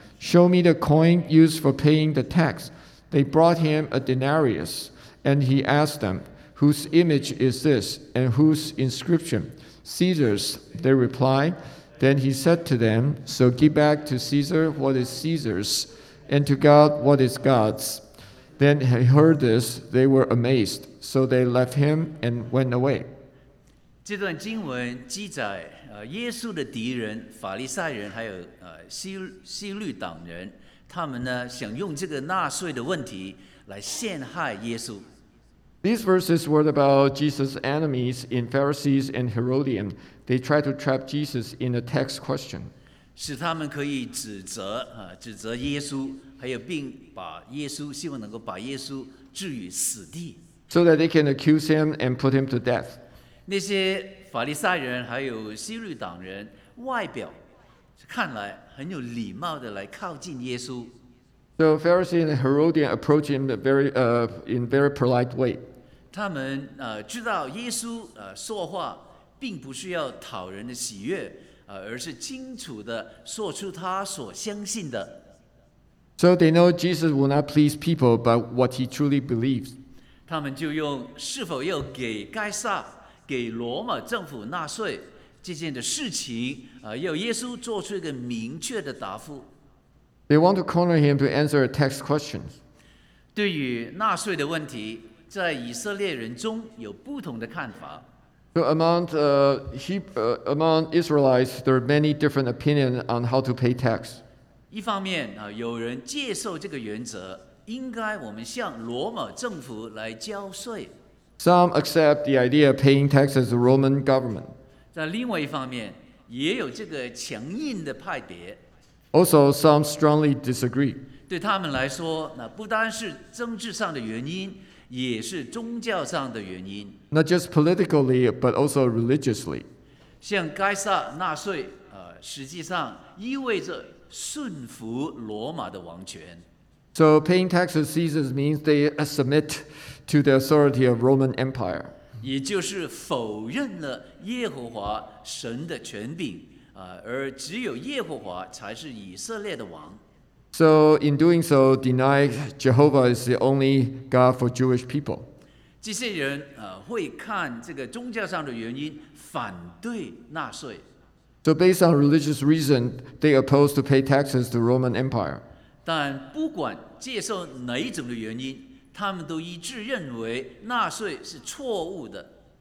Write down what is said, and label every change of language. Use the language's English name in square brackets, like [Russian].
[English] Show me the coin used for paying the tax. They brought him a denarius, and he asked them, whose image is this, and whose inscription? Caesar's, they replied. Then he said to them, so give back to Caesar what is Caesar's, and to God what is God's. Then he heard this, they were amazed, so they left him and went away. [Chinese] 这段经文记载，耶稣的敌人，法利赛人，还有西律党人，他们呢，想用这个纳税的问题来陷害耶稣。 [English] These verses were about Jesus' enemies in Pharisees and Herodians. They tried to trap Jesus in a tax question. [Chinese] 使他们可以指责耶稣，还有并把耶稣，希望能够把耶稣置于死地。 [English] So that they can accuse him and put him to death. [Chinese] 那些法利赛人还有西律党人，外表看来很有礼貌的来靠近耶稣。 [English] So Pharisee and Herodian approach him in very polite way. [Chinese] 他们知道耶稣说话并不是要讨人的喜悦，而是清楚地说出他所相信的。 [English] So they know Jesus will not please people but what he truly believes. [Chinese] 他们就用是否要给该撒、给罗马政府纳税这件的事情，要耶稣做出一个明确的答复。 [English] They want to corner him to answer a tax question. [Chinese] 对于纳税的问题，在以色列人中有不同的看法。 [English] So among Israelites, there are many different opinions on how to pay tax. [Chinese] 一方面，有人接受这个原则，应该我们向罗马政府来交税。 [English] Some accept the idea of paying taxes to the Roman government. [Chinese] 在另外一方面，也有这个强硬的派别。 [English] Also, some strongly disagree. [Chinese] 对他们来说，那不单是政治上的原因，也是宗教上的原因。 [English] Not just politically, but also religiously. [Chinese] 向该撒纳税，实际上意味着顺服罗马的王权。 [English] So paying taxes to Caesar means they submit to the authority of Roman Empire. [Chinese] 也就是否认了耶和华神的权柄，而只有耶和华才是以色列的王。 [English] So in doing so, deny Jehovah is the only God for Jewish people. [Chinese] 这些人会看这个宗教上的原因反对纳税。 [English] So based on religious reason, they oppose to pay taxes to Roman Empire. [Chinese] 但不管接受哪一种的原因，他们都一致认为纳税是错误的。